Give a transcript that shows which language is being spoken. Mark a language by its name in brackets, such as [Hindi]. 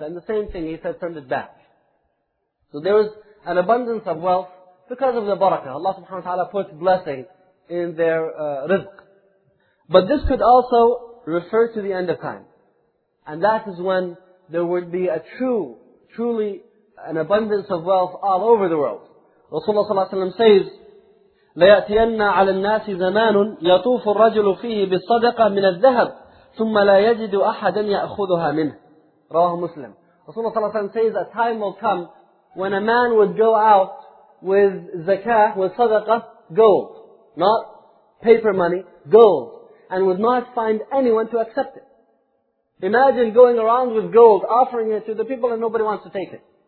[English] And the same thing, he said, send it back. So there was an abundance of wealth because of the barakah. Allah subhanahu wa ta'ala put blessing in their rizq. But this could also refer to the end of time. And that is when there would be a truly an abundance of wealth all over the world. Rasulullah sallallahu alayhi wa sallam says, [Arabic] لَيَأْتِيَنَّ عَلَى النَّاسِ زَمَانٌ يَطُوفُ الرَّجُلُ فِيهِ بِالصَّدَقَةِ مِنَ الذَّهَبِ ثُمَّ لَا يَجِدُ أَحَدًا يَأْخُذُهَا مِنْهُ. رواه مسلم. [English] Rasulullah sallallahu alayhi wa sallam says, a time will come when a man would go out with zakah, with sadaqah, gold. Not paper money, gold. And would not find anyone to accept it. Imagine going around with gold, offering it to the people and nobody wants to take it.